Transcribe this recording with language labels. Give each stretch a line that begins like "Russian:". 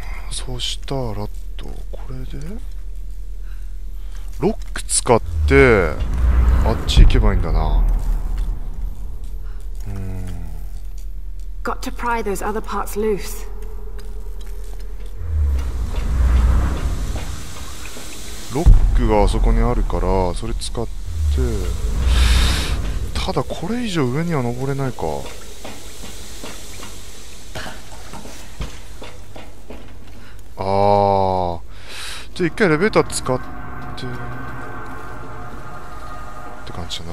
Japanese: そしたらとこれでロック使ってあっち行けばいいんだな。
English: Got to pry those other parts loose.
Japanese: ロックがあそこにあるからそれ使って、ただこれ以上上には登れないか。あー、じゃあ一回エレベーター使ってって感じだな。